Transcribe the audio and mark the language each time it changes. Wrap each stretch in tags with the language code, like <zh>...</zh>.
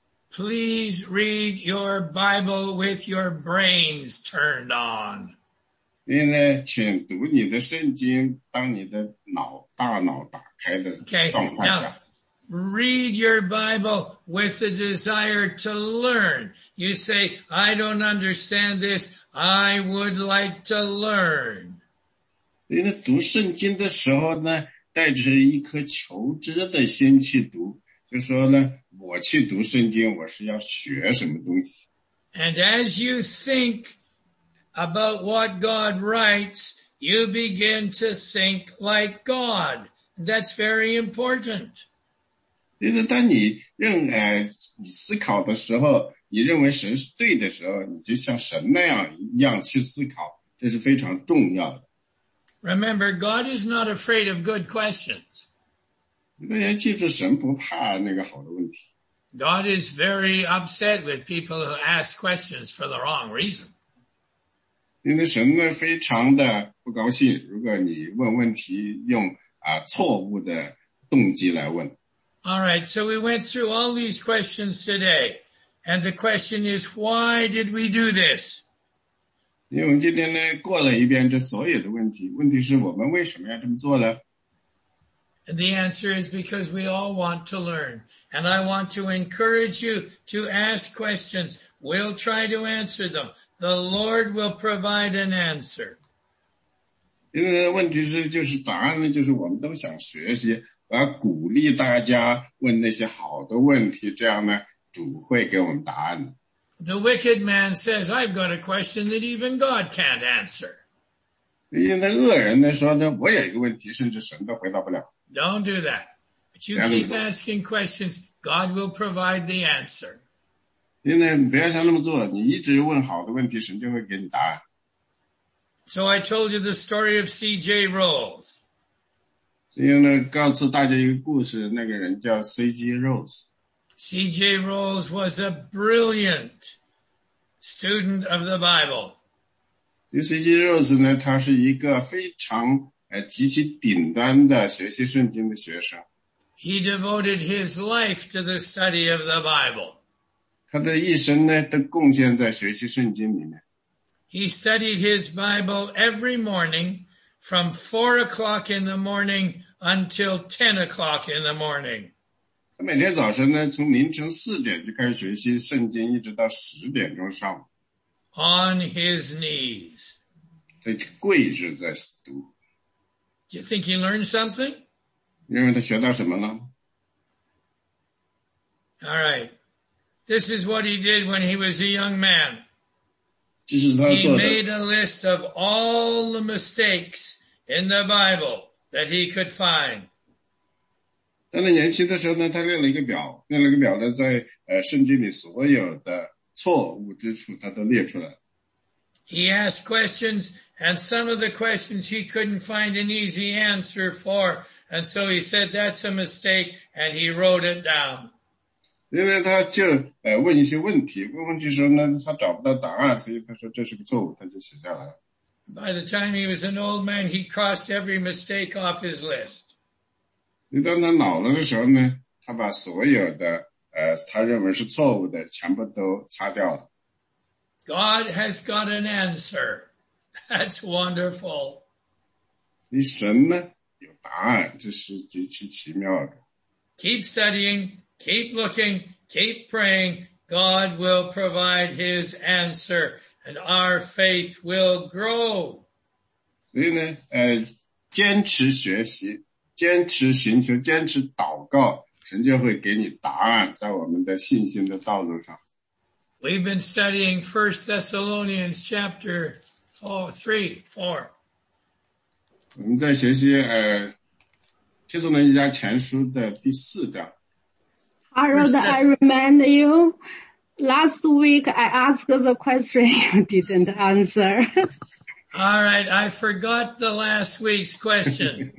<en>Please read your Bible with your brains turned on.</en> <zh>因为呢，请读你的圣经，当你的大脑打开的状况下。</zh> <en>Okay, now,read your Bible with the desire to learn. You say, I don't understand this. I would like to learn.</en> <zh>因为读圣经的时候呢，带着一颗求知的心去读，就说呢，我去读圣经，我是要学什么东西。</zh> <en>And as you think about what God writes, you begin to think like God. That's very important.</en> <zh>因为当你思考的时候，你认为神是对的时候，你就像神那样一样去思考，这是非常重要的。</zh> <en>Remember, God is not afraid of good questions.</en> <zh>大家记住，神不怕那个好的问题。</zh> <en>God is very upset with people who ask questions for the wrong reason.</en> <zh>因为神呢非常的不高兴，如果你问问题用错误的动机来问。</zh> <en>Alright, so we went through all these questions today. And the question is, why did we do this?</en> <zh>因为我们今天呢过了一遍这所有的问题。问题是我们为什么要这么做呢？</zh> <en>And the answer is because we all want to learn. And I want to encourage you to ask questions. We'll try to answer them. The Lord will provide an answer.</en> <zh>因为问题是就是答案呢就是我们都想学习，我要鼓励大家问那些好的问题，这样呢主会给我们答案。</zh> <en>The wicked man says, I've got a question that even God can't answer.</en> <zh>因为恶人呢说呢我有一个问题甚至神都回答不了。</zh> <en>Don't do that. But you keep asking questions, God will provide the answer.</en> <zh>因为不要像那么做，你一直问好的问题，神就会给你答案。</zh> <en>So I told you the story of C.J. Rolls.</en> <zh>所以呢，告诉大家一个故事，那个人叫 C.J.</zh> <en>Rolls. C.J. Rolls was a brilliant student of the Bible.</en> <zh>所以 C.J. Rolls 呢，他是一个非常极其顶端的学习圣经的学生。</zh> <en>He devoted his life to the study of the Bible.</en> <zh>他的一生呢，都贡献在学习圣经里面。</zh> <en>He studied his Bible every morning from 4 o'clock in the morning until 10 o'clock in the morning.</en> <zh>他每天早晨呢，从凌晨四点就开始学习圣经，一直到十点钟上午。</zh> <en>On his knees.</en> <zh>他跪着在读。</zh> <en>Do you think he learned something?</en> <zh>因为他学到什么了？</zh> <en>All right. This is what he did when he was a young man. He made a list of all the mistakes in the Bible that he could find.</en> <zh>当他年轻的时候呢，他列了一个表，列了一个表呢，在圣经里所有的错误之处，他都列出来。</zh> <en>He asked questions, and some of the questions he couldn't find an easy answer for, and so he said, "That's a mistake," and he wrote it down.</en> <zh>因为他就问一些问题，问问题的时候呢，他找不到答案，所以他说这是个错误，他就写下来了。</zh> <en>By the time he was an old man, he crossed every mistake off his list.</en> <zh>当他老了的时候呢，他把所有的他认为是错误的全部都擦掉了。</zh> <en>God has got an answer. That's wonderful.</en> <zh>神呢有答案，这是极其奇妙的。</zh> <en>Keep studying. Keep looking, keep praying, God will provide his answer, and our faith will grow.</en> <zh>所以呢，坚持学习，坚持寻求，坚持祷告，神就会给你答案在我们的信心的道路上。</zh> <en>We've been studying 1 Thessalonians chapter 4.</en> <zh>我们在学习帖撒罗尼迦前书的第四章。</zh> <en>Harold, I remind you, last week I asked the question, you didn't answer. All right, I forgot the last week's question.</en>